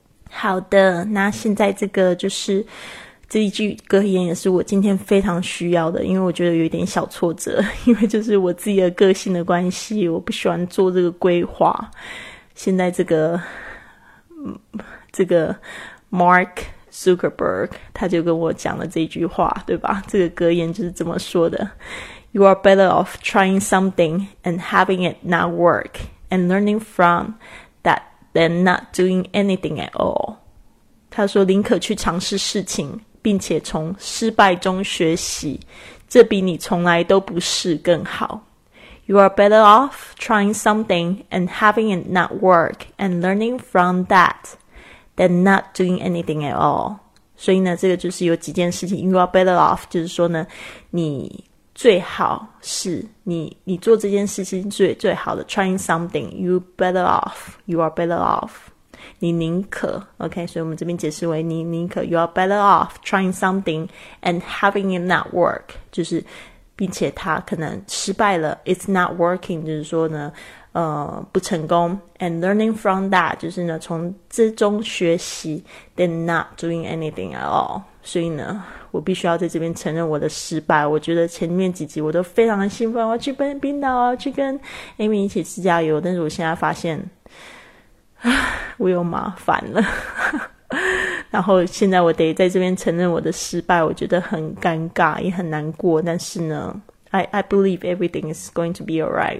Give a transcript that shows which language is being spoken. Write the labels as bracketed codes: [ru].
[zh] 好的，那现在这个就是这一句格言，也是我今天非常需要的，因为我觉得有点小挫折，因为就是我自己的个性的关系，我不喜欢做这个规划。现在这个 Mark Zuckerberg 他就跟我讲了这句话，对吧？这个格言就是这么说的， [en] You are better off trying something and having it not work and learning from that than not doing anything at all. [zh] 他说宁可去尝试事情并且从失败中学习，这比你从来都不试更好。 [en] You are better off trying something and having it not work and learning from that than not doing anything at all. [zh] 所以呢这个就是有几件事情， [en] You are better off [zh] 就是说呢你最好是你做这件事情最好的 [en] trying something, you are better off, [zh] 你宁可 OK, 所以我们这边解释为你宁可 [en] You are better off trying something and having it not work, [zh] 就是并且他可能失败了， [en] It's not working, [zh] 就是说呢不成功， [en] And learning from that, [zh] 就是呢从之中学习 [en] than not doing anything at all. [zh] 所以呢我必须要在这边承认我的失败。我觉得前面几集我都非常兴奋，我要去冰岛，我要去跟 Amy 一起自驾游，但是我现在发现我又麻烦了然后现在我得在这边承认我的失败，我觉得很尴尬也很难过，但是呢 [en] I believe everything is going to be alright.